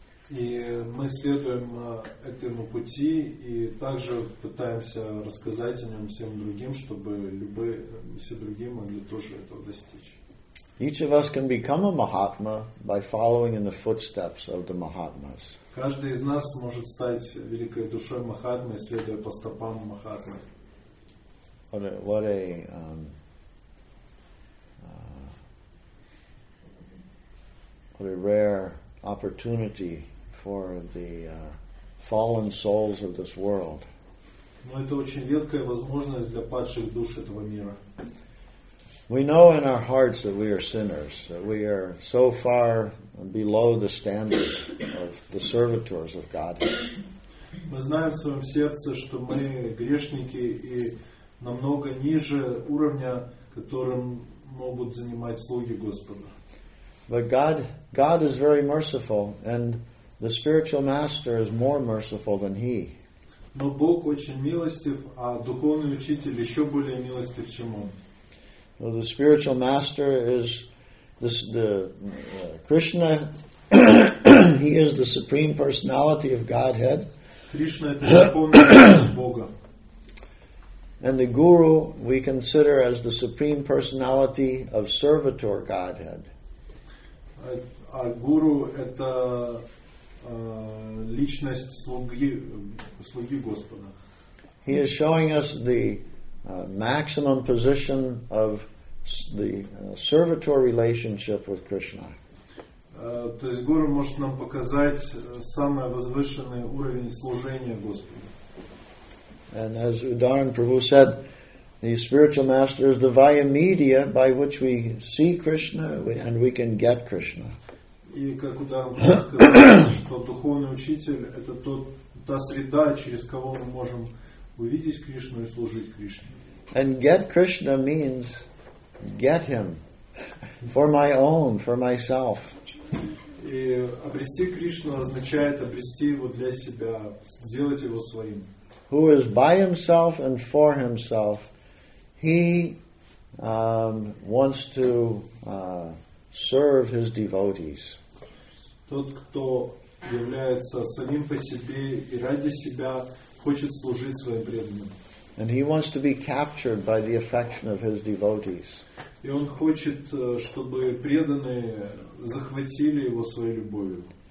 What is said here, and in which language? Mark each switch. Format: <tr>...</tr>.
<ru>И мы следуем этому пути и также пытаемся рассказать о нем всем другим, чтобы все другие могли тоже этого достичь.</ru> <en>Each of us can become a Mahatma by following in the footsteps of the Mahatmas.</en> <ru>Каждый из нас может стать великой душой Махатмы, следуя по стопам Махатмы.</ru> <en>What a rare opportunity for the fallen souls of this world.</en> <ru>Но это очень редкая возможность для падших душ этого мира.</ru> <en>We know in our hearts that we are sinners, that we are so far below the standard of the servitors of God.</en> <ru>Мы знаем в своем сердце, что мы грешники и намного ниже уровня, которым могут занимать слуги Господа.</ru> <en>But God is very merciful, and the spiritual master is more merciful than he.</en> <ru>Но Бог очень милостив, а духовный учитель еще более милостив, чем он.</ru> <en>So the spiritual master is Krishna. He is the supreme personality of Godhead.</en> <ru>Krishna – это верховная личность Бога.</ru> <en>And the guru we consider as the supreme personality of servitor Godhead.</en> <ru>А гуру – это личность слуги Господа.</ru> <en>He is showing us the maximum position of the servitor relationship with Krishna.</en> <ru>То есть гуру может нам показать самый возвышенный уровень служения Господу.</ru> <en>And as Udaran Prabhu said, the spiritual master is the via media by which we see Krishna and we can get Krishna.</en> <ru>И как Ударан сказал, что духовный учитель это та среда, через кого мы можем увидеть Кришну и служить Кришне.</ru> <en>And get Krishna means get him for my own, for myself.</en> <ru>И обрести Кришну означает обрести его для себя, сделать его своим.</ru> <en>Who is by himself and for himself, he wants to serve his devotees.</en> <ru>Тот, кто является самим по себе и ради себя, хочет служить своим преданным.</ru> <en>And he wants to be captured by the affection of his devotees.</en> <ru>И он хочет, чтобы преданные захватили его своей любовью.</ru>